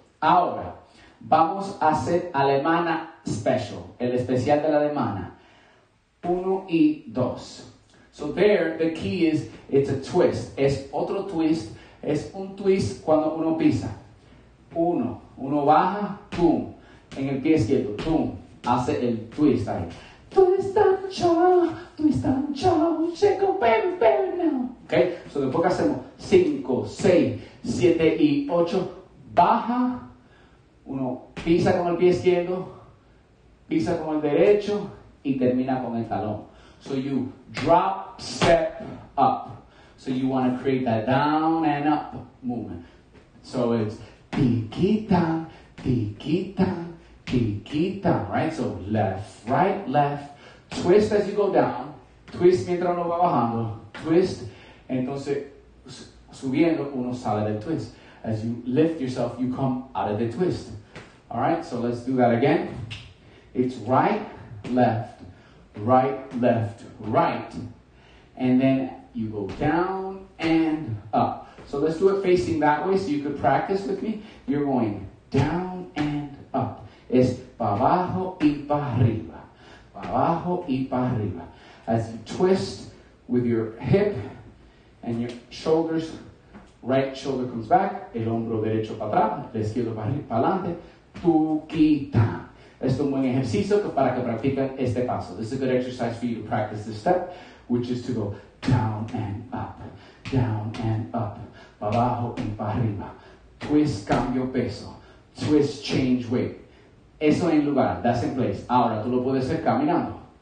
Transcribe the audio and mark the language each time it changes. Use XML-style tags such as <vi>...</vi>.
<es>Ahora, vamos a hacer alemana special, el especial de la alemana. 1 y 2.</es> <en>So there, the key is, it's a twist.</en> <es>Es otro twist. Es un twist cuando uno pisa. Uno baja, pum. En el pie izquierdo, pum. Hace el twist ahí. Twist and chow, chico, bam, bam, now. Okay, so después que hacemos 5, 6, 7 y 8, baja, uno pisa con el pie izquierdo, pisa con el derecho y termina con el talón.</es> <en>So you drop, step, up. So you want to create that down and up movement. So it's tiquita, tiquita, tiquita, right? So left, right, left. Twist as you go down.</en> <es>Twist mientras uno va bajando. Twist. Entonces, subiendo, uno sale del twist.</es> <en>As you lift yourself, you come out of the twist. All right? So let's do that again. It's right, left, right, left, right. And then you go down and up. So let's do it facing that way so you could practice with me. You're going down and up.</en> <es>Es para abajo y para arriba. Abajo y para arriba.</es> <en>As you twist with your hip and your shoulders, right shoulder comes back,</en> <es>el hombro derecho para atrás, la izquierda para adelante, tuquita. Esto es un buen ejercicio para que practiquen este paso.</es> <en>This is a good exercise for you to practice this step, which is to go down and up,</en> <es>abajo y para arriba. Twist, cambio peso.</es> <en>Twist, change weight.</en> <es>Eso en lugar,</es> <en>that's in place.</en> <es>Ahora tú lo puedes hacer caminando.</es>